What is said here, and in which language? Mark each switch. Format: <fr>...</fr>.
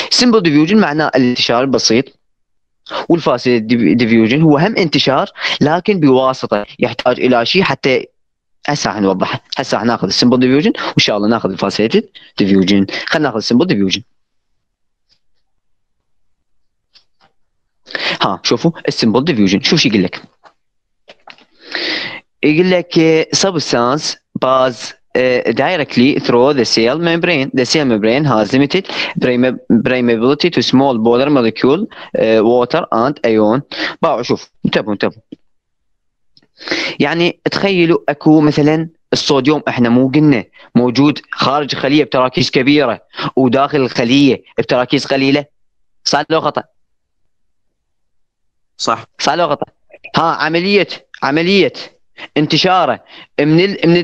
<ar>سمبل ديفيوجن معناه الانتشار البسيط، والفاسيليتد ديفيوجن هو هم انتشار لكن بواسطه يحتاج الى شيء حتى هسه نوضحها. هسه ناخذ السمبل ديفيوجن وان شاء الله ناخذ الفاسيليتد ديفيوجن. خلينا ناخذ السمبل ديفيوجن. ها شوفوا السمبل ديفيوجن، شوف شو يقول لك. يقول لك</ar> <en>Substance pass directly through the cell membrane. The cell membrane has limited permeability to small polar molecule, water and ion.</en> <ar>باعوا شوف انتبهوا انتبهوا. يعني تخيلوا اكو مثلا الصوديوم، احنا مو قلنا موجود خارج الخلية بتراكيز كبيرة وداخل الخلية بتراكيز قليلة، صح لو خطأ؟ صح صح لو خطأ؟ ها عملية، عملية انتشاره من ال...</ar>